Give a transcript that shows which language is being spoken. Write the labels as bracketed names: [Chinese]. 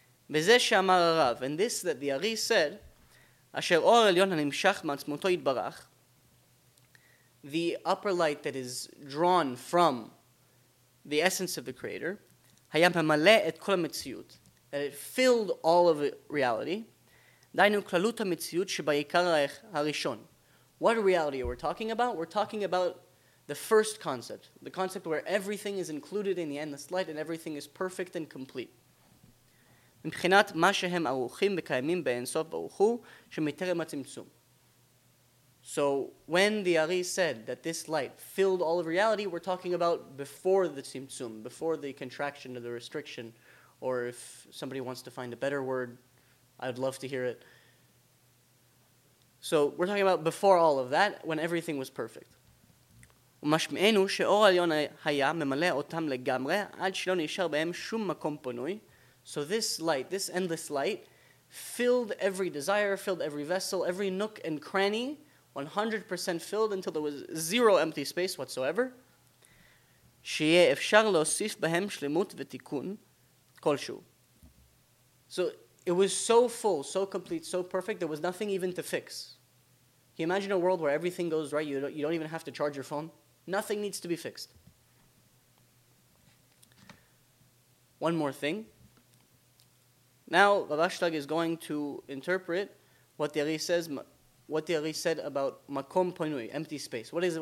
[Hebrew] וזה שאמר הרב, [English] and this that the Ari said, [Hebrew] אשר אור עליון הנמשך מעצמותו יתברך, [English] the upper light that is drawn from the essence of the Creator, [Hebrew] היה ממלא את כל המציאות, [English] that it filled all of reality, [Hebrew] דיינו כללות המציאות שבעיקר הראשון. [English] What reality are we talking about? We're talking about the first concept, the concept where everything is included in the endless light and everything is perfect and complete. [Hebrew] מבחינת מה שהם ארוכים וקיימים באינסוף ברוך הוא שמטרם הצמצום. [English] So when the Ari said that this light filled all of reality, we're talking about before the tzimtzum, before the contraction or the restriction, or if somebody wants to find a better word, I'd love to hear it. So we're talking about before all of that, when everything was perfect. [Hebrew] ומשמענו שאור עליון היה ממלא אותם לגמרי עד שלא נשאר בהם שום מקום פנוי. [English] So this light, this endless light, filled every desire, filled every vessel, every nook and cranny, 100% filled until there was zero empty space whatsoever. [Hebrew] שיהיה אפשר להוסיף בהם שלמות ותיקון כלשהו. [English] So it was so full, so complete, so perfect, there was nothing even to fix. Can you imagine a world where everything goes right? You don't even have to charge your phone. Nothing needs to be fixed. One more thing. Now, Rav Ashlag is going to interpret what the Ari says, what the Ari said about makom ponui, empty space. What is it?